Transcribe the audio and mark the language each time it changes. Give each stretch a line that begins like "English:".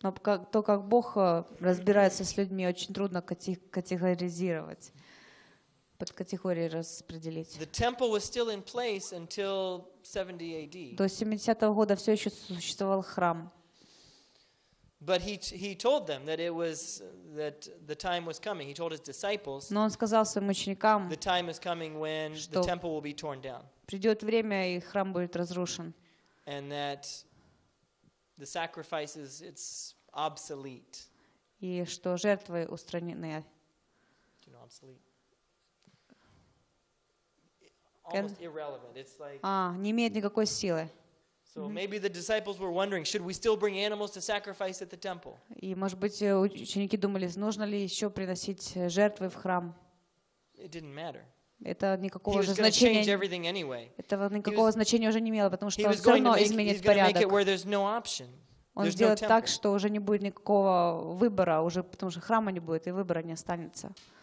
Russian: Но то, как Бог разбирается с людьми, очень трудно категоризировать, под категории распределить.
English: The temple was still in place until 70 AD.
Russian: До 70-го года все еще существовал храм.
English: But he told them that it was that the time was coming. He told his disciples.
Russian: Но он сказал своим ученикам.
English: The time is coming when the temple will be torn down.
Russian: Придет время и храм будет разрушен.
English: And that. The sacrifices, it's obsolete.
Russian: И что жертвы устранены.
English: You know, obsolete. Almost irrelevant. It's like.
Russian: Не имеет никакой силы.
English: So maybe the disciples were wondering, should we still bring animals to sacrifice at the temple?
Russian: И может быть ученики думали, нужно ли еще приносить жертвы в храм?
English: It didn't matter.
Russian: Это никакого же значения.
English: Anyway.
Russian: Этого никакого значения уже не имело, потому что он все равно изменит порядок.
English: No
Russian: он сделает так, что уже не будет никакого выбора, уже потому что храма не будет и выбора не останется.